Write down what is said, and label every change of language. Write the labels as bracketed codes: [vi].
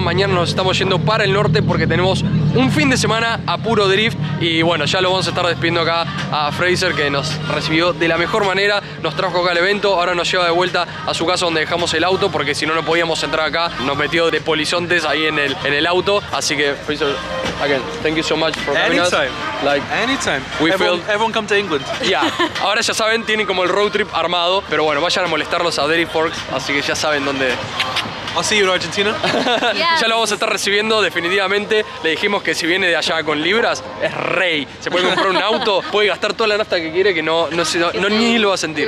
[es] Mañana nos estamos yendo para el norte porque tenemos un fin de semana a puro drift. Y bueno, ya lo vamos a estar despidiendo acá a Fraser, que nos recibió de la mejor manera. Nos trajo acá al evento. Ahora nos lleva de vuelta a su casa donde dejamos el auto, porque si no, no podíamos entrar acá. Nos metió de polizontes ahí en el auto. Así que, [en] Fraser, again, thank you so much for coming. Anytime. Us. Anytime. Everyone come to England. Yeah. [es] Ahora ya saben, tienen como el road trip armado. Pero bueno, vayan a molestarlos a DriftWorks. Así que ya saben dónde. [en] I'll see you in Argentina. [es] Ya lo vamos a estar recibiendo definitivamente. Le dijimos que si viene de allá con libras, es rey. Se puede comprar un auto, puede gastar toda la nafta que quiere, que no ni lo va a sentir.